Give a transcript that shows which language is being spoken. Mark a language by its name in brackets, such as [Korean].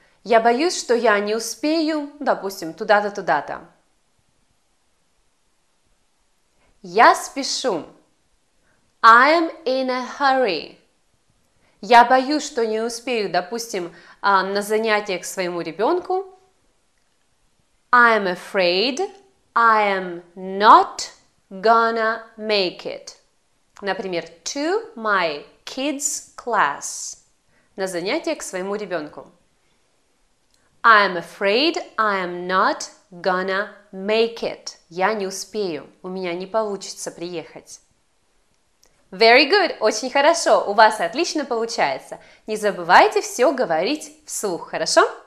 [Russian] Я боюсь, что я не успею, допустим, туда-то, туда-то. Я спешу. [English] I am in a hurry. [Russian] Я боюсь, что не успею, допустим, на занятия к своему ребенку. [English] I am afraid I am not gonna make it. [Russian] Например, [English] to my kid's class. [Russian] На занятия к своему ребенку. [English] I am afraid I am not gonna make it. [Russian] Я не успею. У меня не получится приехать. [English] Very good. [Russian] Очень хорошо. У вас отлично получается. Не забывайте все говорить вслух, хорошо?